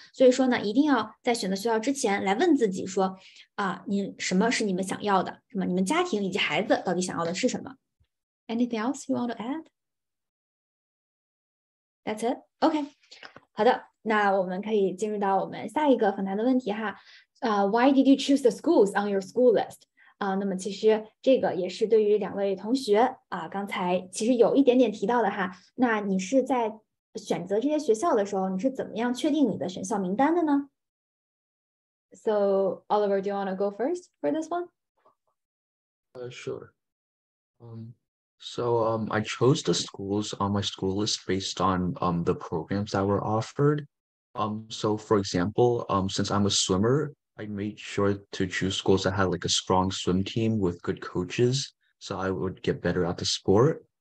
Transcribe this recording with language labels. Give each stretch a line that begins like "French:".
Chinese: 所以说呢，一定要在选择学校之前来问自己说你什么是你们想要的，什么你们家庭以及孩子到底想要的是什么。
English: Anything else you want to add? That's it?
Chinese: OK, 好的，那我们可以进入到我们下一个访谈的问题哈。
English: Why did you choose the schools on your school list?
Chinese: 那么其实这个也是对于两位同学刚才其实有一点点提到的哈。那你是在选择这些学校的时候，你是怎么样确定你的选校名单的呢？
English: So, Oliver, do you want to go first for this one? Sure. So I chose the schools on my school list based on the programs that were offered. So for example, since I'm a swimmer, I made sure to choose schools that had like a strong swim team with good coaches, so I would get better at the sport.